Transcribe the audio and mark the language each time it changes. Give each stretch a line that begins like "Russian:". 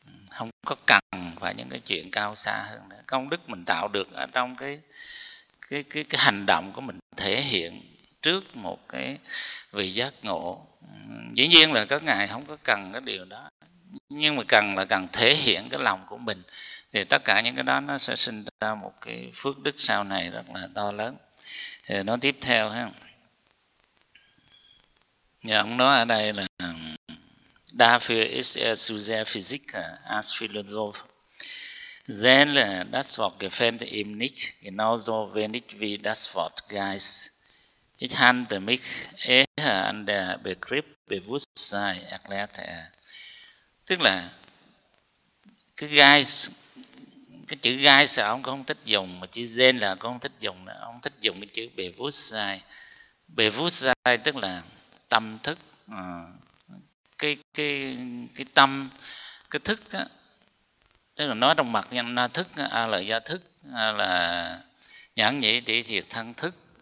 Vietnamese: Không có cần phải những cái chuyện cao xa hơn nữa. Công đức mình tạo được ở trong cái hành động của mình thể hiện trước một cái vị giác ngộ. Dĩ nhiên là các ngài không có cần cái điều đó, nhưng mà cần là cần thể hiện cái lòng của mình, thì tất cả những cái đó nó sẽ sinh ra một cái phước đức sau này rất là to lớn. Thì nói tiếp theo ha, như ông nói ở đây là
German: dafür ist er zu sehr Physiker als Philosoph, denn das Wort gefällt ihm nicht genauso wenig wie das Wort Geist. Ich handle mich eher an der Begriff Bewusstsein erklärt er.
Vietnamese: Tức là cái Geist, cái chữ Geist ông cũng không thích dùng, mà chữ Zen là cũng không thích dùng nữa. Ông thích dùng cái chữ Bewusstsein. Bewusstsein tức là tâm thức, cái tâm, cái thức á, tức là nói trong mặt nhân na thức, a lợi gia thức, a là nhãn nhĩ tỷ thiệt thân thức.